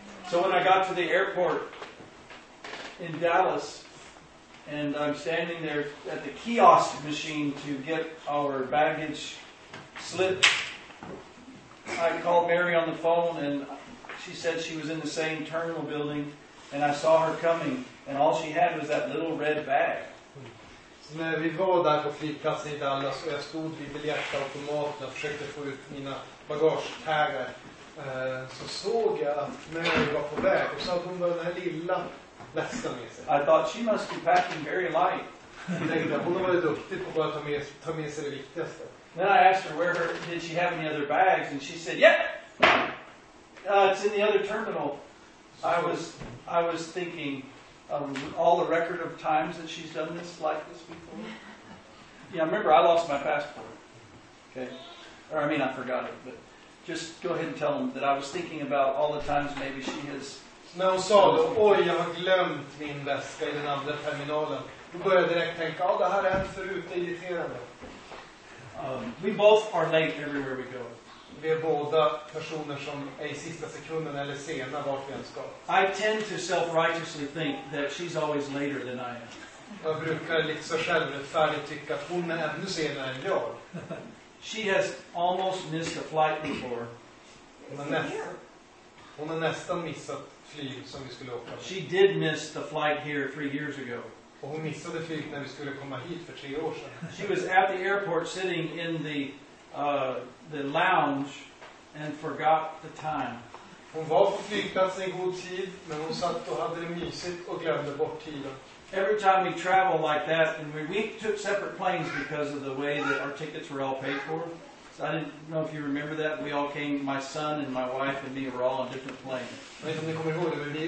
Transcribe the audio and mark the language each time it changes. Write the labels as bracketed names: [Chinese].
[English] So when I got to the airport in Dallas, and I'm standing there at the kiosk machine to get our baggage slipped, I called Mary on the phone, and she said she was in the same terminal building, and I saw her coming, and all she had was that little red bag. [Swedish] När vi var där på flygplatsen i Dallas och jag stod vid biljettautomaten och försökte få ut mina bagagetaggar, så såg jag att Mary var på väg och så hade hon den här lilla väskan med sig. [English] I thought she must be packing very light. [Swedish] Hon var duktig på att ta med sig det viktigaste. [English] Then I asked her where did she have any other bags, and she said, "Yeah, it's in the other terminal." I was thinking all the record of times that she's done this like this before. Yeah, remember I lost my passport. Okay, or I mean I forgot it, but. Just go ahead and tell them that I was thinking about all the times maybe she has. [Swedish] När hon sa då, oj, jag har glömt min väska i den andra terminalen. Då började jag direkt tänka, ja, det här är en förut, det är irriterande. [English] We both are late everywhere we go. [Swedish] Vi är båda personer som är i sista sekunden eller sena vart vi än ska. [English] I tend to self-righteously think that she's always later than I am. [Swedish] Jag brukar liksom självrättfärdigt tycka att hon är ännu senare än jag. [English] She has almost missed a flight before. [Swedish] Hon har nästan missat flyg som vi skulle åka. [English] She did miss the flight here 3 years ago. [Swedish] Och hon missade flyg när vi skulle komma hit för 3 år sedan. [English] She was at the airport sitting in the lounge and forgot the time. [Swedish] Hon var på flygplatsen i god tid, men hon satt och hade det mysigt och glömde bort tiden. [English] Every time we travel like that, and we took separate planes because of the way that our tickets were all paid for. So I didn't know if you remember that. We all came, my son and my wife and me were all on different planes.